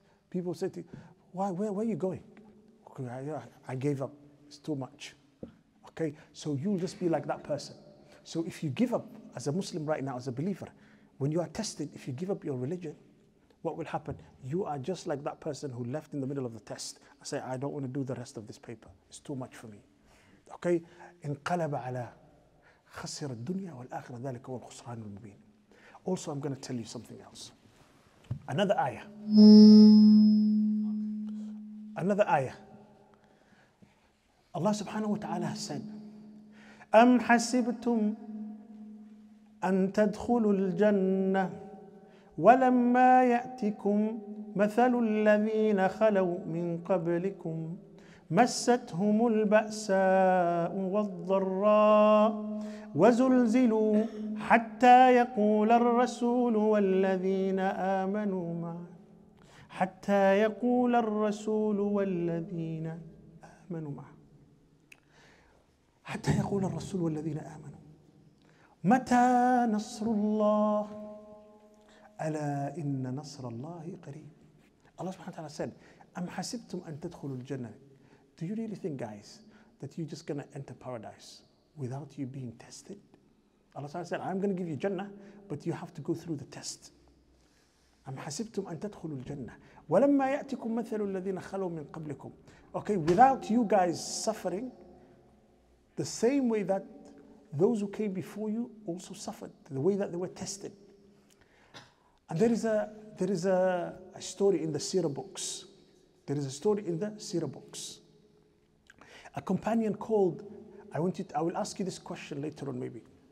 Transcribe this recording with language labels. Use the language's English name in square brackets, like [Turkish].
[English] People say to you, where are you going? I gave up. It's too much. Okay, so you'll just be like that person. So if you give up as a Muslim right now, as a believer, when you are tested, if you give up your religion, what will happen? You are just like that person who left in the middle of the test. I say, I don't want to do the rest of this paper. It's too much for me. Okay? [Arabic] انقلب على خسر الدنيا والآخرة ذلك هو الخسران المبين. [English] Also, I'm going to tell you something else. Another ayah. Allah subhanahu wa ta'ala has said, [Arabic] أَمْ حَسِبْتُمْ أَن تَدْخُلُوا الْجَنَّةِ وَلَمَّا يَأْتِكُمْ مَثَلُ الَّذِينَ خَلَوْا مِنْ قَبْلِكُمْ مَسَّتْهُمُ الْبَأْسَاءُ وَالضَّرَّاءُ وَزُلْزِلُوا حَتَّى يَقُولَ الرَّسُولُ وَالَّذِينَ آمَنُوا مَعَهُ حَتَّى يَقُولَ الرَّسُولُ وَالَّذِينَ آمَنُوا مَعَهُ حتى يقول الرسول والذين آمنوا متى نصر الله ألا إن نصر الله قريب. [English] Allah subhanahu wa ta'ala said, [Arabic] أم حسبتم أن تدخلوا الجنة. [English] Do you really think, guys, that you're just going to enter paradise without you being tested? Allah subhanahu wa ta'ala said, I'm going to give you Jannah, but you have to go through the test. [Arabic] أم حسبتم أن تدخلوا الجنة ولما يأتكم مثل الذين خلوا من قبلكم. [English] Okay, without you guys suffering the same way that those who came before you also suffered, the way that they were tested. And there is a story in the seerah books. There is a story in the seerah books. A companion called, I will ask you this question later on maybe.